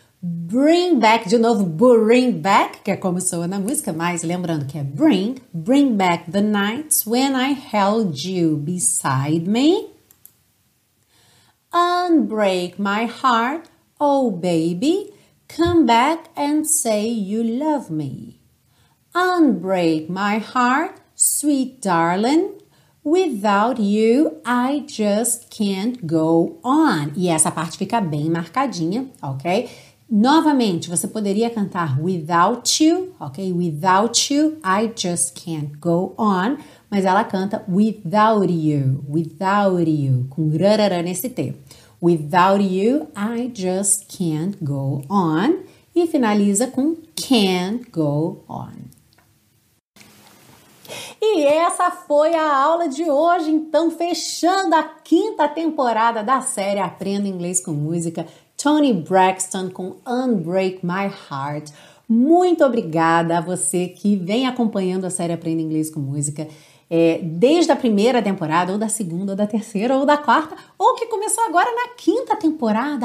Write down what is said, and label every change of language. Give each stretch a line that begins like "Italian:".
English: Bring back,
Portuguese: de novo,
English: bring back,
Portuguese: que é como soa na música, mas lembrando que é bring.
English: Bring back the nights when I held you beside me. Unbreak my heart, oh baby. Come back and say you love me. Unbreak my heart, sweet darling. Without you, I just can't go on.
Portuguese: E essa parte fica bem marcadinha, ok? Novamente, você poderia cantar
English: without you,
Portuguese: ok?
English: Without you, I just can't go on.
Portuguese: Mas ela canta
English: without you,
Portuguese: com rarara nesse T.
English: Without you, I just can't go on.
Portuguese: E finaliza com
English: can't go on.
Portuguese: E essa foi a aula de hoje, então fechando a quinta temporada da série Aprenda Inglês com Música, Toni Braxton com Unbreak My Heart. Muito obrigada a você que vem acompanhando a série Aprenda Inglês com Música desde a primeira temporada, ou da segunda, ou da terceira, ou da quarta, ou que começou agora na quinta temporada.